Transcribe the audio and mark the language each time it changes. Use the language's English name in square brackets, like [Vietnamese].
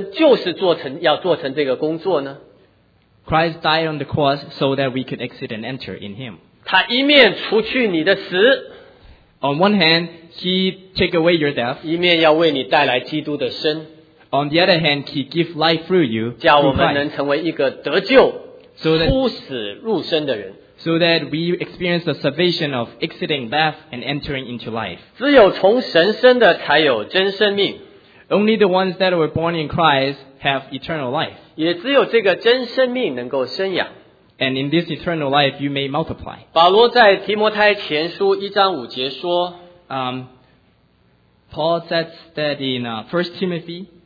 [Chinese] 要不要看见基督十架上的救恩就是做成这个工作呢？ [English] Christ died on the cross so that we could exit and enter in him. [Chinese] 他一面除去你的死, [English] on one hand, he take away your death. [Chinese] 一面要为你带来基督的生, [English] on the other hand, he give life through you. [Chinese] 叫我们能成为一个得救, [English] so that, [Chinese] 出死入生的人, [English] so that we experience the salvation of exiting death and entering into life. [Chinese] 只有从神生的才有真生命。 [English] Only the ones that were born in Christ have eternal life. [Chinese] 也只有这个真生命能够生养。 [English] And in this eternal life, you may multiply. [Chinese] 保罗在提摩太前书1章5节说, [English] Paul says that in 1 Timothy,